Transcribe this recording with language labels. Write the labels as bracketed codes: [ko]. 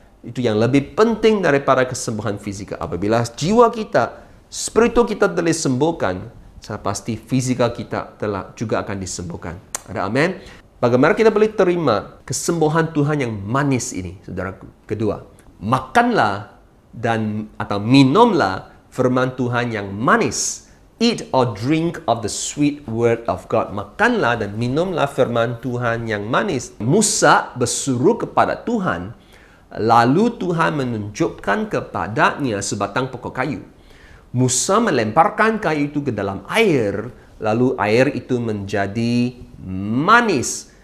[id] Itu yang lebih penting daripada kesembuhan fisika. Apabila jiwa kita, spiritual kita telah disembuhkan, saya pasti fisika kita telah juga akan disembuhkan. Ada amin? Bagaimana kita boleh terima kesembuhan Tuhan yang manis ini, saudaraku? Kedua, makanlah dan atau minumlah firman Tuhan yang manis. [en] Eat or drink of the sweet word of God. [id] Makanlah dan minumlah firman Tuhan yang manis. Musa bersuruh kepada Tuhan, lalu Tuhan menunjukkan kepadanya sebatang pokok kayu. Musa melemparkan kayu itu ke dalam air, lalu air itu menjadi manis.